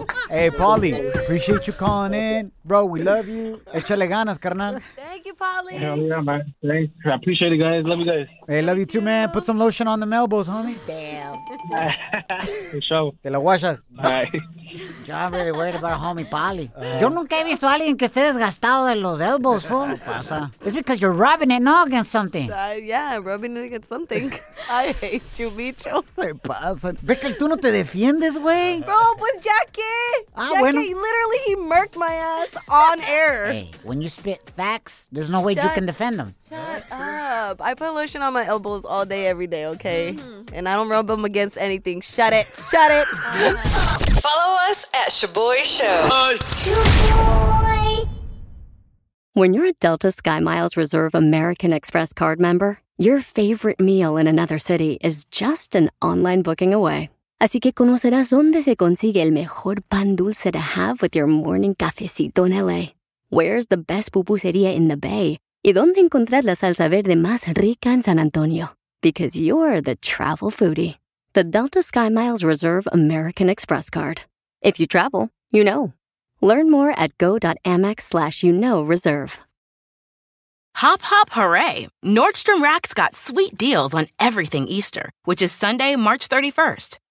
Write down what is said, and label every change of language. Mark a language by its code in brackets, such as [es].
[en] Hey, Pauly, appreciate you calling in. Bro, we love you. [es] Échale ganas, carnal. [en] Thank you, Pauly. Yeah, man. Thanks. I appreciate it, guys. Love you guys. Hey, love you too, man. Put some lotion on the elbows, homie. Damn. For sure. [es] Te la guayas. [en] Bye. Yo, I'm really worried about a homie, Pauly. [es] Yo nunca he visto a alguien que esté desgastado de los elbows, fool. ¿Qué pasa? [en] It's because you're rubbing it, no, against something. Yeah, rubbing it against something. I hate you, bicho. [es] ¿Qué pasa? Becca, ¿tú no te defiendes, güey? Bro, pues ya que. Ah, ya bueno. [en] Que literally, he murked my ass on air. Hey, when you spit facts, there's no way you can defend them. Shut up. I put lotion on my elbows all day, every day, okay? Mm-hmm. And I don't rub them against anything. Shut it. Follow us at Shaboy Show. Shaboy. When you're a Delta SkyMiles Reserve American Express card member, your favorite meal in another city is just an online booking away. [es] Así que conocerás dónde se consigue el mejor pan dulce [en] to have with your morning cafecito [es] en L.A. [en] Where's the best pupusería in the Bay? [es] ¿Y dónde encontrar la salsa verde más rica en San Antonio? [en] Because you're the travel foodie. The Delta SkyMiles Reserve American Express card. If you travel, you know. Learn more at go.amex/reserve. Hop, hop, hooray. Nordstrom Rack's got sweet deals on everything Easter, which is Sunday, March 31st.